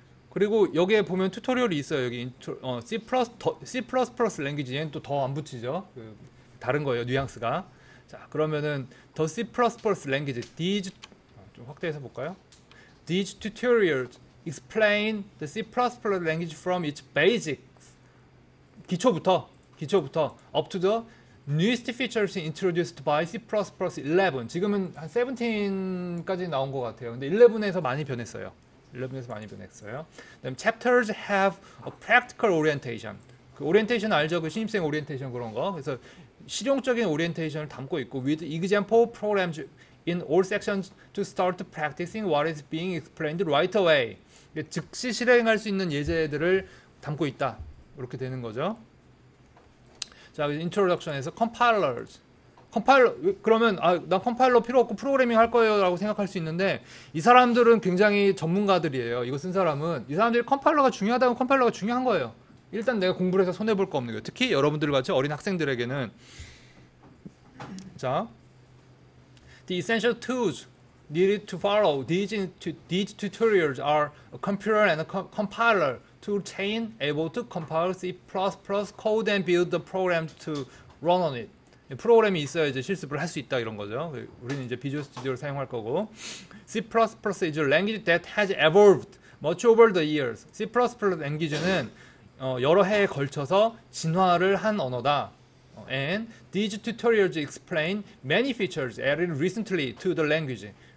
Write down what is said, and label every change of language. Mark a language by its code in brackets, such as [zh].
[ko] 그리고 여기에 보면 튜토리얼이 있어요. 여기 C++ 랭귀지 얘는 또더안 붙이죠. 그 다른 거예요, 뉘앙스가. 자, 그러면은 더 C++ 랭귀지 디즈 좀 확대해서 볼까요? [en] These tutorials explain the C++ language from its basics. [ko] 기초부터 [en] up to the newest features introduced by C++ 11. [ko] 지금은 한 17까지 나온 것 같아요. 근데 11에서 많이 변했어요. 11에서 많이 변했어요. 그다음 [en] chapters have a practical orientation. [ko] 그 오리엔테이션 알죠? 그 신입생 오리엔테이션 그런 거. 그래서 실용적인 오리엔테이션을 담고 있고, [en] with example programs in all sections to start practicing what is being explained right away. [ko] 즉시 실행할 수 있는 예제들을 담고 있다. 이렇게 되는 거죠. 자, introduction에서 compilers. 그러면 아, 난 컴파일러 필요 없고 프로그래밍 할 거예요라고 생각할 수 있는데, 이 사람들은 굉장히 전문가들이에요. 이거 쓴 사람은 이 사람들이 컴파일러가 중요하다면 컴파일러가 중요한 거예요. 일단 내가 공부를 해서 손해 볼거 없는 거예요. 특히 여러분들 같이 어린 학생들에게는. [en] 자, The essential tools needed to follow these tutorials are a compiler and a compiler toolchain able to compile C++ code and build the program to run on it. [ko] 프로그램이 있어야 이제 실습을 할수 있다, 이런 거죠. 우리는 이제 비주얼 스튜디오를 사용할 거고. [en] C++ is a language that has evolved much over the years. [ko] C++ 랭귀지는 여러 해에 걸쳐서 진화를 한 언어다. [en] And these tutorials explain many features added recently to the language.